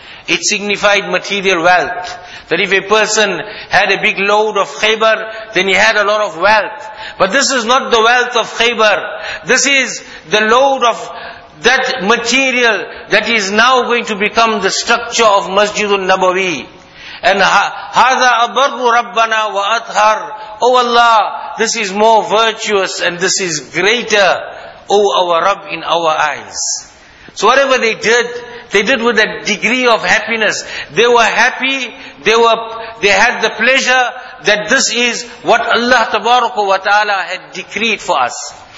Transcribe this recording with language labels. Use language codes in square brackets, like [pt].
[en] It signified material wealth. That if a person had a big load of Khaybar, then he had a lot of wealth. But this is not the wealth of Khaybar. This is the load of that material that is now going to become the structure of Masjidun Nabawi. And [ar] هَذَا أَبَرُّ رَبَّنَا وَأَطْهَرُ. [en] Oh Allah, this is more virtuous and this is greater, oh our Rabb, in our eyes. So whatever they did with a degree of happiness. They were happy, they had the pleasure that this is what Allah Tabaraka wa Ta'ala had decreed for us.